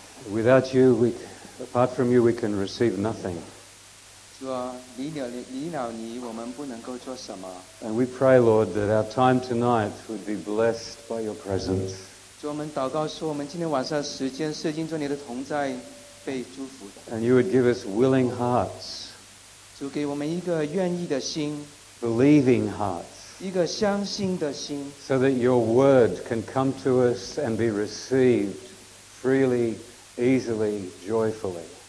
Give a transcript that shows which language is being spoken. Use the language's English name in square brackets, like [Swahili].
[English] Without you, apart from you, we can receive nothing. And we pray, Lord, that our time tonight would be blessed by your presence. [Chinese] 主，我们祷告说，我们今天晚上时间设定做你的同在，被祝福。 [English] And you would give us willing hearts. [Chinese] 主，给我们一个愿意的心。 [English] Believing hearts. [Chinese] 一个相信的心。 [English] So that your word can come to us and be received freely, easily, joyfully.